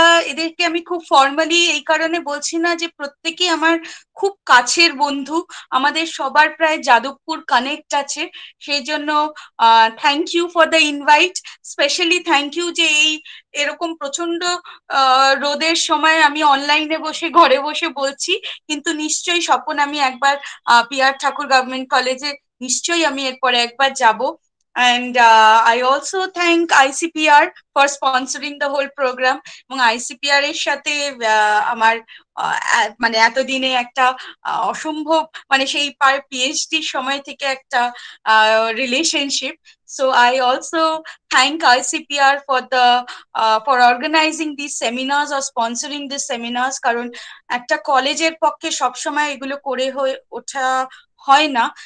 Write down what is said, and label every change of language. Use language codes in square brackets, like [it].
[bn] এদেরকে আমি খুব ফর্মালি এই কারণে বলছি না যে প্রত্যেকেই আমার খুব কাছের বন্ধু, আমাদের সবার প্রায় যাদবপুর কানেক্ট আছে, সেই জন্য [en] Thank you for the invite. [bn] Specially [en] thank you [bn] যে এই এরকম প্রচন্ড রোদের সময় আমি অনলাইনে বসে ঘরে বসে বলছি, কিন্তু নিশ্চয়ই স্বপন আমি একবার পিআর ঠাকুর গভর্নমেন্ট কলেজে নিশ্চয়ই আমি এরপরে একবার যাব। [en] And I also thank ICPR for sponsoring the whole program. [bn] Among ICPR er sathe amar মানে এতদিনে একটা অসম্ভব মানে সেই পিএইচডি সময় থেকে একটা relationship, [en] so I also thank ICPR for organizing this seminars [bn] or sponsoring this seminars, কারণ একটা কলেজের পক্ষে সবসময় এগুলো করে হয়ে ওঠা হয় না।